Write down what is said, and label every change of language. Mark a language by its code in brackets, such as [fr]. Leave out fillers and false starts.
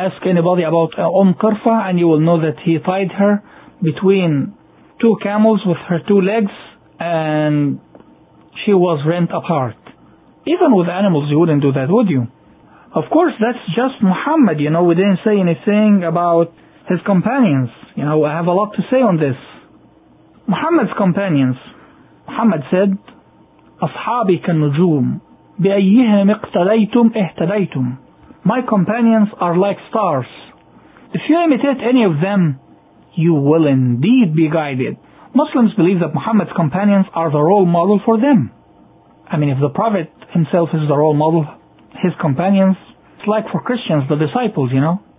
[en] Ask anybody about Kirfa and you will know that he tied her between two camels with her two legs and she was rent apart. Even with animals you wouldn't do that, would you? Of course, that's just Muhammad, you know, we didn't say anything about his companions. You know, I have a lot to say on this. Muhammad's companions. Muhammad said, [ar] أصحابي كالنجوم بأيهم اقتديتم اهتديتم. [en] My companions are like stars. If you imitate any of them, you will indeed be guided. Muslims believe that Muhammad's companions are the role model for them. I mean, if the Prophet himself is the role model, his companions, it's like for Christians, the disciples, you know.